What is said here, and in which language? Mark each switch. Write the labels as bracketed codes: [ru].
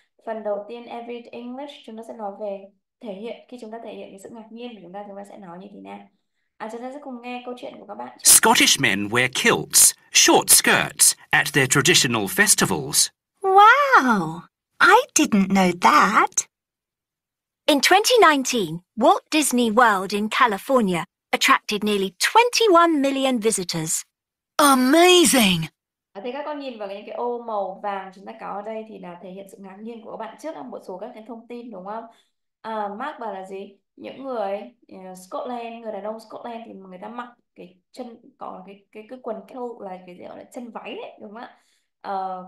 [vi] Phần đầu tiên Everyday English chúng ta sẽ nói về thể hiện khi chúng ta thể hiện cái sự ngạc nhiên của chúng ta sẽ nói như thế nào. Chúng ta sẽ cùng nghe câu chuyện của các bạn trước. [en] Scottish men wear kilts, short skirts, at their traditional festivals. Wow! I didn't know that. In 2019, Walt Disney World in California attracted nearly 21 million visitors. Amazing! [vi] Thì các con nhìn vào những cái ô màu vàng chúng ta có ở đây thì là thể hiện sự ngạc nhiên của các bạn trước là một số các cái thông tin đúng không? Mark bảo là gì? Những người Scotland, người đàn ông Scotland thì người ta mặc cái chân có cái quần kilt là cái gì gọi là chân váy ấy, đúng không ạ?